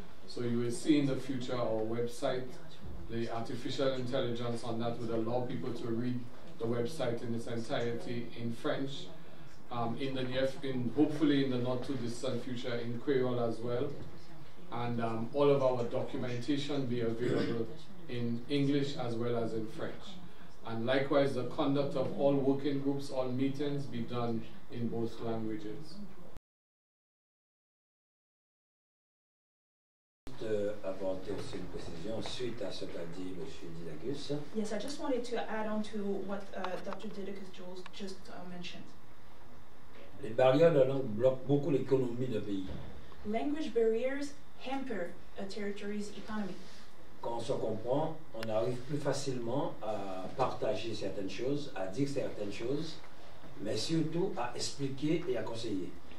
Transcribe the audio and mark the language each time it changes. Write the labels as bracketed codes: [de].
[en] So you will see in the future our website, the artificial intelligence on that would allow people to read the website in its entirety in French, hopefully in the not too distant future in Creole as well, and all of our documentation be available in English as well as in French. And likewise, the conduct of all working groups, all meetings be done in both languages. [fr] Apporter aussi une précision suite à ce qu'a dit M. Didacus. [en] Yes, I just wanted to add on to what Dr. Didacus just mentioned. [fr] Les barrières de langue bloquent beaucoup l'économie d'un pays. [en] Language barriers hamper a territory's economy. [fr] Quand on se comprend, on arrive plus facilement à partager certaines choses, à dire certaines choses, mais surtout à expliquer et à conseiller.